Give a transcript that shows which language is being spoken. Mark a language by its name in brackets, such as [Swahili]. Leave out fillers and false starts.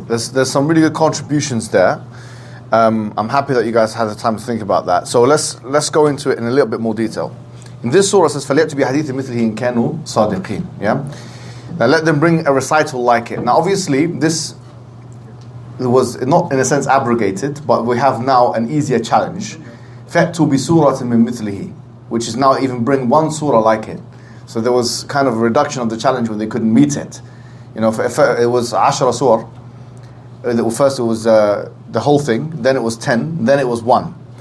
[English] There's some really good contributions there. I'm happy that you guys had the time to think about that. So let's go into it in a little bit more detail. In this surah, it says, [Arabic] فَلْيَأْتُ بِحَدِيثٍ مِثْلِهِ إِنْ كَانُوا صَادِقِينَ. [English] Yeah? Now let them bring a recital like it. Now obviously, this was not in a sense abrogated, but we have now an easier challenge. [Arabic] فَأْتُوا بِسُورَةٍ مِّن مِثْلِهِ, [English] which is now even bring one surah like it. So there was kind of a reduction of the challenge when they couldn't meet it. You know, if it was [Arabic] عَشْرَ سُور, [English] first it was the whole thing, then it was 10, then it was 1.